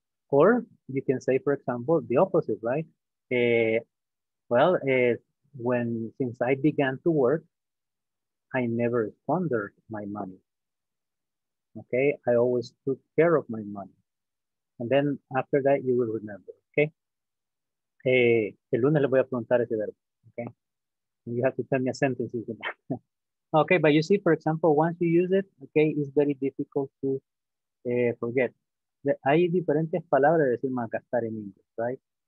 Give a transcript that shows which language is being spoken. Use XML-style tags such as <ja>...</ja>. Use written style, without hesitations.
<en>Or you can say, for example, the opposite, right? Since I began to work, I never squandered my money. Okay, I always took care of my money. And then after that, you will remember, okay?</en> <es>El lunes le voy a preguntar ese verbo, okay?</es> <en>And you have to tell me a sentence. Okay, but you see, for example, once you use it, okay, it's very difficult to forget.</en> <es>Hay diferentes palabras de decir malgastar en inglés, right?</es>